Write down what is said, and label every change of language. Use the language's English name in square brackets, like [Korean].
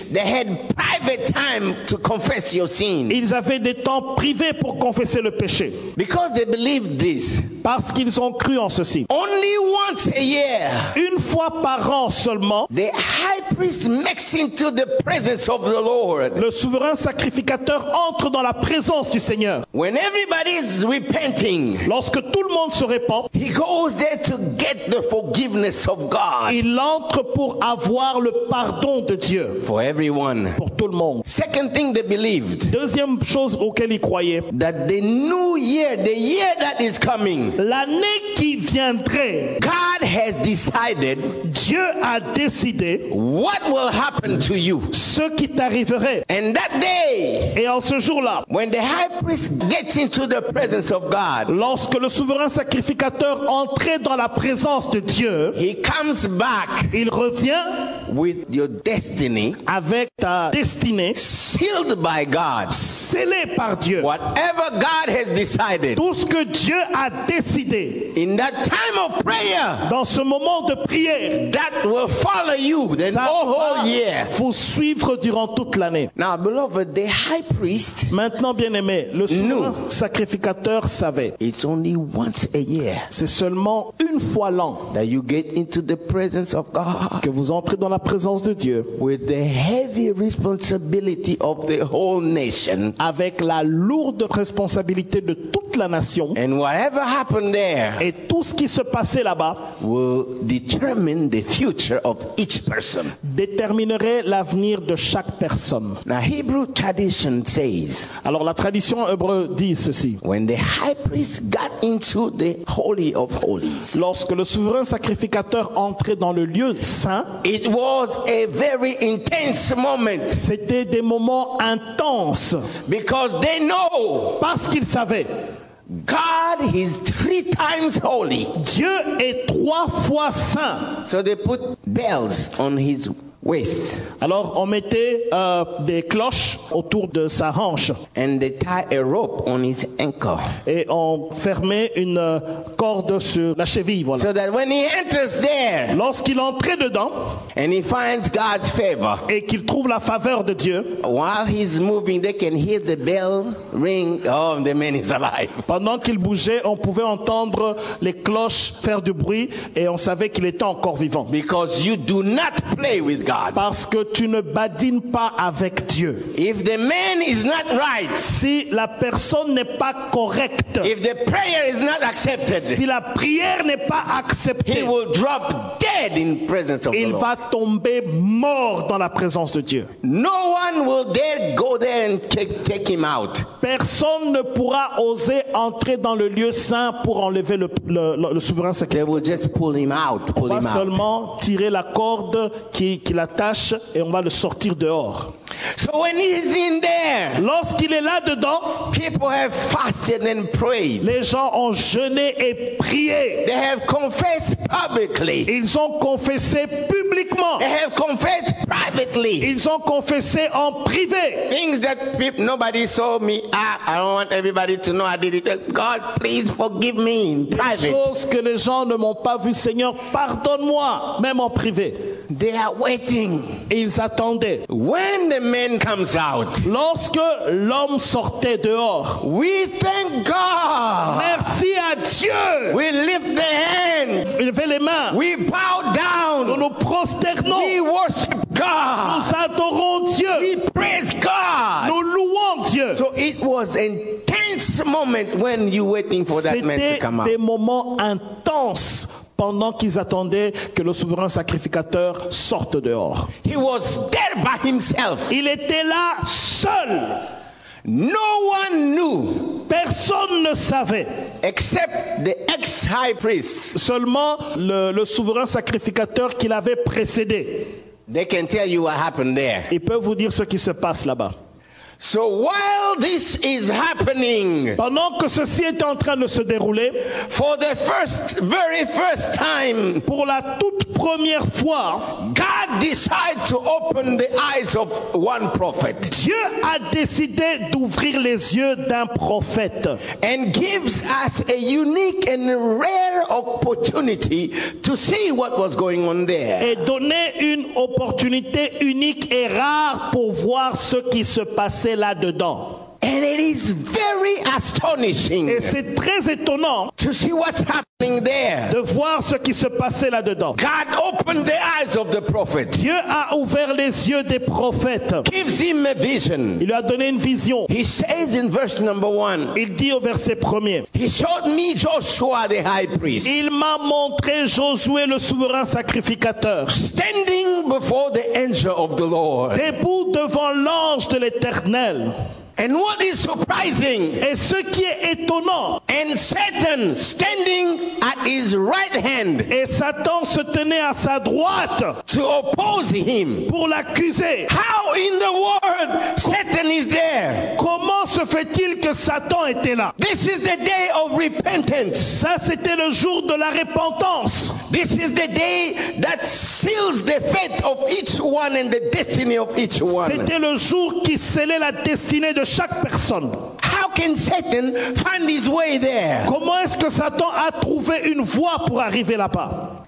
[English] They had private time to confess your sins, [French] ils avaient des temps privés pour confesser le péché. [English] Because they believed this, [French] parce qu'ils ont cru en ceci. [English] Only once a year, [French] une fois par an seulement, [English] the high priest makes into the presence of the Lord. [French] Le souverain sacrificateur entre dans la présence du Seigneur. [English] When everybody is repenting, [French] lorsque tout le monde se repent, [English] he goes there to get the forgiveness of God. [French] Il entre pour avoir le pardon de Dieu. [English] For everyone, [French] pour tout le monde. [English] Second thing they believed, [French] deuxième chose auquel ils croyaient, [English] that the new year, the year that is coming, [French] l'année qui viendrait, [English] God has decided, [French] Dieu a décidé, [English] what will happen to you, [French] ce qui t'arriverait, [English] and that day, [French] et en ce jour-là, [English] when the high priest gets into the presence of God, [French] lorsque le souverain sacrificateur entrait dans la présence de Dieu, [English] he comes back, [French] il revient, [English] with your destiny, [French] avec ta destinée, [English] sealed by God, [French] scellé par Dieu, [English] whatever God has decided, [French] tout ce que Dieu a décidé, [English] in that time of prayer, [French] dans ce moment de prière, [English] that will follow you the whole year, [French] vous suivre durant toute l'année. [English] Now, beloved, the high priest, [French] maintenant bien-aimé, le sacrificateur savait, [English] it's only once a year, [French] c'est seulement une fois l'an, [English] that you get into the presence of God, [French] que vous entrez dans la présence de Dieu, [English] with the heavy responsibility of the whole nation, [French] avec la lourde responsabilité de toute la nation, [English] and whatever happened there, [French] et tout ce qui se passait là-bas, [English] will determine the future of each person, [French] déterminerait l'avenir de chaque personne. [English] Now, Hebrew tradition says, [French] alors la tradition hébreu dit ceci, [English] when the high priest got into the holy of holies, [French] lorsque le souverain sacrificateur entrait dans le lieu saint, [English] it was a very intense moment, [French] c'était des moments intenses, [English] because they know, [French] parce qu'ils savaient, [English] God is three times holy, [French] Dieu est trois fois saint. [English] So they put bells on his waist. [French] Alors on mettait des cloches autour de sa hanche. [English] And they tie a rope on his ankle. [French] Et on fermait une corde sur la cheville, voilà. [English] So that when he enters there, [French] lorsqu'il entrait dedans, [English] and he finds God's favor, [French] et qu'il trouve la faveur de Dieu, [English] while he's moving, they can hear the bell ring. Oh, the man is alive. [French] Pendant qu'il bougeait, on pouvait entendre les cloches faire du bruit, et on savait qu'il était encore vivant. [English] Because you do not play with. [French] Parce que tu ne badines pas avec Dieu. [English] If the man is not right, [French] si la personne n'est pas correcte, [English] if the prayer is not accepted, [French] si la prière n'est pas acceptée, [English] he will drop dead in presence of [French] il [English] the Lord. [French] Va tomber mort dans la présence de Dieu. [English] No one will dare go there and take him out. [French] Personne ne pourra oser entrer dans le lieu saint pour enlever le souverain sacré. [English] They will just pull him out, pull [French] pas [English] him [French] seulement [English] out. [French] Tirer la corde qui l'attache et on va le sortir dehors. [English] So when he's in there, [French] lorsqu'il est là dedans, [English] people have fasted and prayed. [French] Les gens ont jeûné et prié. [English] They have confessed publicly. [French] Ils ont confessé publiquement. [English] They have confessed privately. [French] Ils ont confessé en privé. [English] Things that people, nobody saw me. I don't want everybody to know I did it. God, please forgive me in private. [French] Les choses que les gens ne m'ont pas vu, Seigneur, pardonne-moi, même en privé. [English] They are waiting. [French] Ils attendaient. [English] When the man comes out, [French] lorsque l'homme sortait dehors, [English] we thank God. [French] Merci à Dieu. [English] We lift the hands. [French] Levez les mains. [English] We bow down. [French] Nous nous prosternons. [English] We worship God. [French] Nous adorons Dieu. [English] We praise God. [French] Nous louons Dieu. [English] So it was intense moment when you waiting for that man to come out. [French] C'était des moments intenses. Pendant qu'ils attendaient que le souverain sacrificateur sorte dehors. [English] He was there by himself. [French] Il était là seul. [English] No one knew. [French] Personne ne savait. [English] Except the ex-high priest. [French] Seulement le souverain sacrificateur qui l'avait précédé. [English] They can tell you what happened there. [French] Ils peuvent vous dire ce qui se passe là-bas. [English] So while this is happening, [French] pendant que ceci est en train de se dérouler, [English] for the very first time, [French] pour la toute première fois, [English] God decided to open the eyes of one prophet. [French] Dieu a décidé d'ouvrir les yeux d'un prophète. [English] And gives us a unique and rare opportunity to see what was going on there. [French] Et donner une opportunité unique et rare pour voir ce qui se passait. Là-dedans. [English] And it is very astonishing. [French] Et c'est très étonnant [English] to see what's happening there. [French] De voir ce qui se passait là-dedans. [English] God opened the eyes of the prophet. [French] Dieu a ouvert les yeux des prophètes. [English] Gives him a vision. [French] Il lui a donné une vision. [English] He says in verse number one. [French] Il dit au verset premier. [English] He showed me Joshua the high priest. [French] Il m'a montré Josué le souverain sacrificateur. [English] Standing before the angel of the Lord. [French] Debout devant l'ange de l'Éternel. [English] And what is surprising? [French] Et ce qui est étonnant. [English] And Satan standing at his right hand. [French] Et Satan se tenait à sa droite. [English] To oppose him. [French] Pour l'accuser. [English] How in the world Satan is there? [French] Comment se fait-il que Satan était là? [English] This is the day of repentance. [French] Ça c'était le jour de la repentance. [English] This is the day that seals the fate of each one and the destiny of each one. [French] C'était le jour qui scellait la destinée de chaque personne. [English] How can Satan find his way there? [French] Comment est-ce que Satan a trouvé une voie pour arriver là-bas?